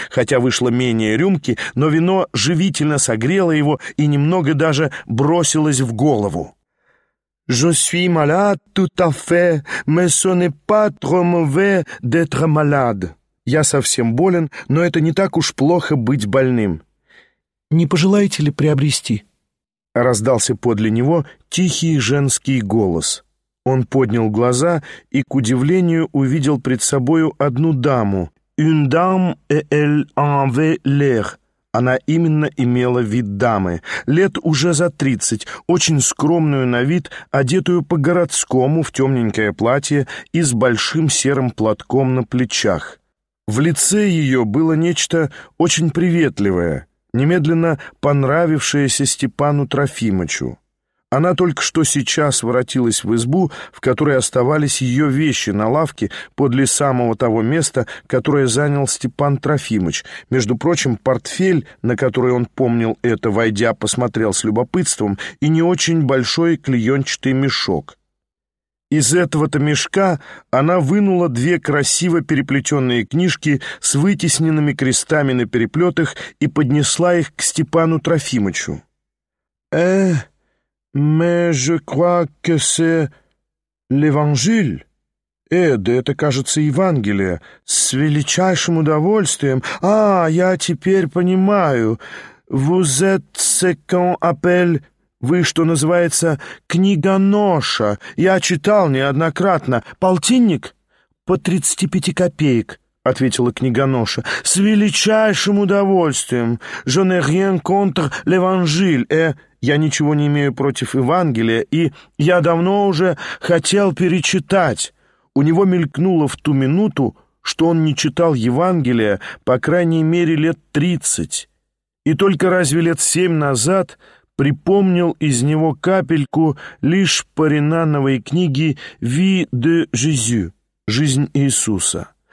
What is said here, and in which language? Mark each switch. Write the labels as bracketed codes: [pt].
[ru] Хотя вышло менее рюмки, но вино живительно согрело его и немного даже бросилось в голову. [fr] «Je suis malade tout à fait, mais ce n'est pas trop mauvais d'être malade». [ru] «Я совсем болен, но это не так уж плохо быть больным». «Не пожелаете ли приобрести?» Раздался подле него тихий женский голос. Он поднял глаза и, к удивлению, увидел пред собою одну даму. [fr] «Une dame et elle avait l'air». [ru] Она именно имела вид дамы, лет уже за 30, очень скромную на вид, одетую по-городскому в темненькое платье и с большим серым платком на плечах. В лице ее было нечто очень приветливое, немедленно понравившееся Степану Трофимычу. Она только что сейчас воротилась в избу, в которой оставались ее вещи на лавке подле самого того места, которое занял Степан Трофимыч. Между прочим, портфель, на который он помнил это, войдя, посмотрел с любопытством, и не очень большой клеенчатый мешок. Из этого-то мешка она вынула 2 красиво переплетенные книжки с вытесненными крестами на переплетах и поднесла их к Степану Трофимычу. [fr] «Mais je crois que c'est l'Évangile». [ru] «Да это, кажется, Евангелие». «С величайшим удовольствием». «А, я теперь понимаю. [fr] Vous êtes ce qu'on appelle...» [ru] «Вы, что называется, книгоноша». «Я читал неоднократно». «Полтинник?» «По 35 копеек». — ответила книгоноша. — С величайшим удовольствием. [fr] Je n'ai rien contre l'Évangile. [ru] Я ничего не имею против Евангелия, и я давно уже хотел перечитать. У него мелькнуло в ту минуту, что он не читал Евангелия, по крайней мере, лет 30. И только разве лет 7 назад припомнил из него капельку лишь по ренановой книге «Vie de Jésus» — «Жизнь Иисуса».